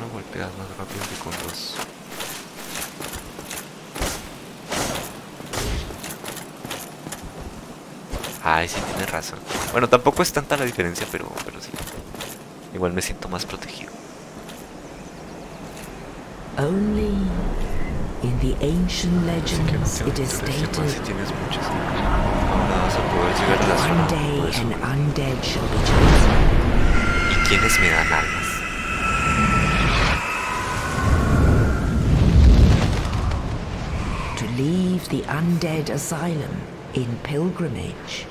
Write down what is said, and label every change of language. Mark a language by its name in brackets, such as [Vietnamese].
[Spanish] Pegas más rápido que con dos. Ay, sí, tienes razón. Bueno, tampoco es tanta la diferencia, pero sí. Igual me siento más protegido. [English] Only in the ancient legends que no it is stated. [Spanish] Si tienes muchas, ahora vas a poder llegar a la zona. [English] One day an undead shall be chosen. [Spanish] ¿Y quiénes me dan almas? [English] Leave the undead asylum in pilgrimage.